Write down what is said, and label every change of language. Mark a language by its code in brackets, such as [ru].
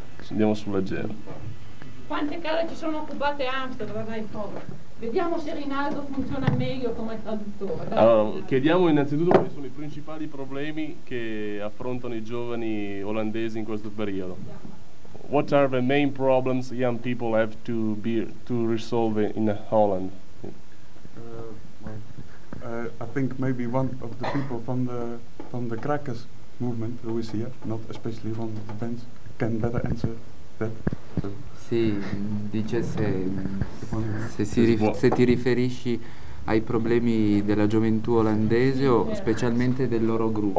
[it] Andiamo sul leggero. Quante case ci sono occupate a Amsterdam, vai poco. Vediamo se Rinaldo funziona meglio come traduttore. Allora, chiediamo innanzitutto quali sono i principali problemi che affrontano i giovani olandesi in questo periodo. [en] What are the main problems young people have to be to resolve in Holland? I think maybe one of the people from the Crackers movement who is here, not especially one of the bands, can better answer that. [it] Sì, dice se ti riferisci ai problemi della gioventù olandese o specialmente del loro gruppo.